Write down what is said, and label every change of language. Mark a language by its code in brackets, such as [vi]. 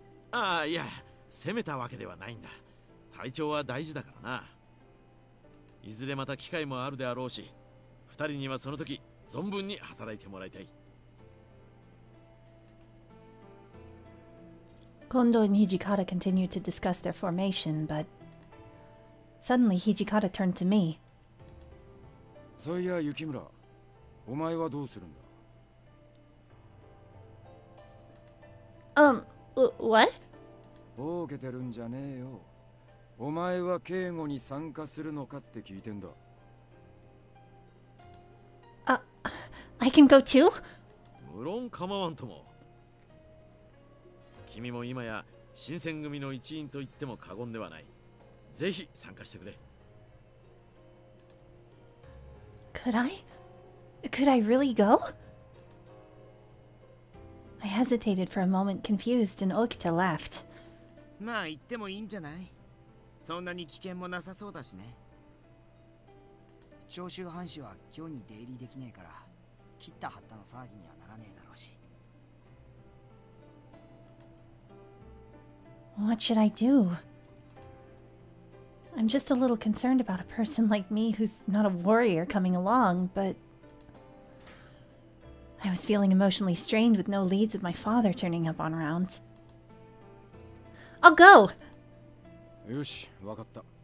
[ja] ああ、いや、攻めたわけではないんだ。体調は大事だからな。いずれまた機会もあるであろうし、二人にはその時存分に働いてもらいたい。今度、Hijikata [en] continued to discuss their formation, but suddenly Hijikata turned to me. [ja] そういや、雪村、お前はどうするんだ? [en] What? [ja] ぼけてるんじゃねえよ。お前は警護に参加するのかって聞いてんだ。 [en] I can go too? [ja] 無論構わんとも。君も今や新選組の一員と言っても過言ではない。ぜひ参加してくれ。 [en] Could I? Could I really go? I hesitated for a moment, confused, and Okita laughed. [ja] まあ、言ってもいいんじゃない?そんなに危険もなさそうだしね。長州藩士は今日に出入りできねえから、切った張ったの騒ぎにはならねえだろうし。 [en] What should I do? I'm just a little concerned about a person like me who's not a warrior coming along, but I was feeling emotionally strained with no leads of my father turning up on rounds. I'll go! [ja] Yoshi, wakatta.